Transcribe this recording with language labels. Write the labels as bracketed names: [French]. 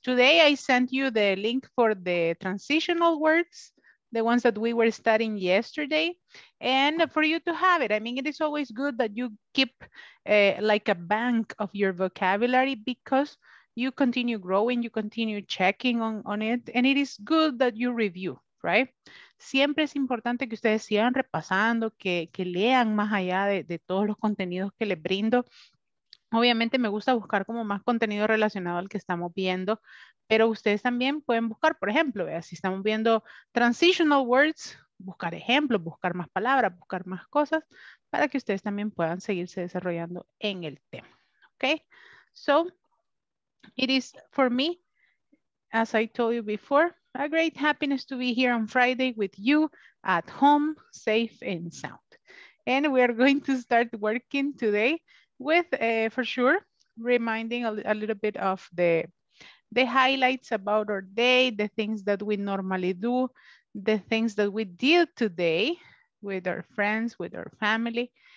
[English] Today, I sent you the link for the transitional words, the ones that we were studying yesterday, and for you to have it. I mean, it is always good that you keep like a bank of your vocabulary because you continue growing, you continue checking on it, and it is good that you review, right? [Spanish] Siempre es importante que ustedes sigan repasando, que lean más allá de todos los contenidos que les brindo. Obviamente me gusta buscar como más contenido relacionado al que estamos viendo, pero ustedes también pueden buscar, por ejemplo, ¿vea? Si estamos viendo transitional words, buscar ejemplos, buscar más palabras, buscar más cosas, para que ustedes también puedan seguirse desarrollando en el tema. [English] Okay? So, it is for me, as I told you before, a great happiness to be here on Friday with you at home, safe and sound. And we are going to start working today with, for sure, reminding a little bit of the highlights about our day, the things that we normally do, the things that we did today with our friends, with our family.